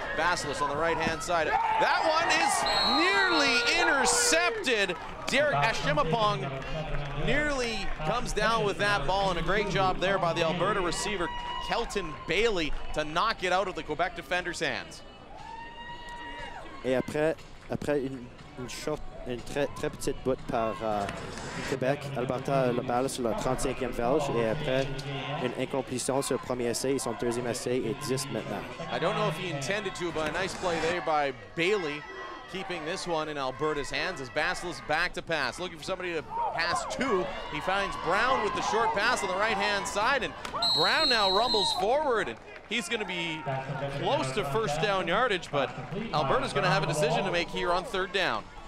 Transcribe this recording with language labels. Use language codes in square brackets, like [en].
[en] Basilis on the right-hand side. That one is nearly intercepted. Derek Ashimapong nearly comes down with that ball, and a great job there by the Alberta receiver, Kelton Bailey, to knock it out of the Quebec defender's hands. [fr] Et après une short, une très, très petite boot par Québec. Alberta a la balle sur la 35e verge et après une incomplétion sur le premier essai, son deuxième essai est 10 maintenant. [en] I don't know if he intended to, but a nice play there by Bailey. keeping this one in Alberta's hands as Basilis back to pass, looking for somebody to pass to. He finds Brown with the short pass on the right-hand side, and Brown now rumbles forward, and he's going to be close to first down yardage, but Alberta's going to have a decision to make here on third down.